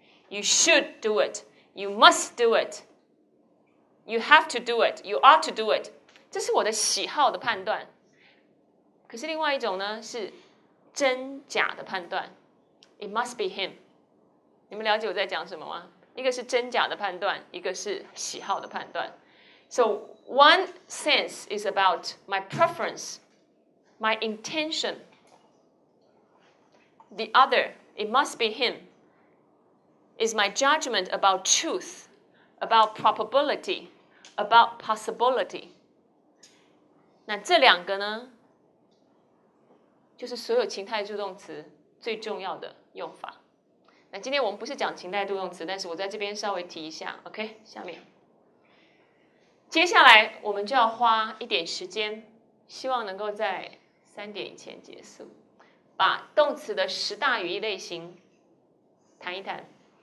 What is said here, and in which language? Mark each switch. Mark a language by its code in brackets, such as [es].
[en] You should do it. You must do it. You have to do it. You ought to do it. [zh] 这是我的喜好的判断。可是另外一种呢，是真假的判断。 [en] It must be him. [zh] 你们了解我在讲什么吗？一个是真假的判断，一个是喜好的判断。 [en] So one sense is about my preference, my intention. The other, it must be him. Is my judgment about truth, about probability, about possibility. [zh] 那这两个呢，就是所有情态助动词最重要的用法。那今天我们不是讲情态助动词，但是我在这边稍微提一下 ，OK？下面，接下来我们就要花一点时间，希望能够在三点以前结束，把动词的十大语义类型谈一谈。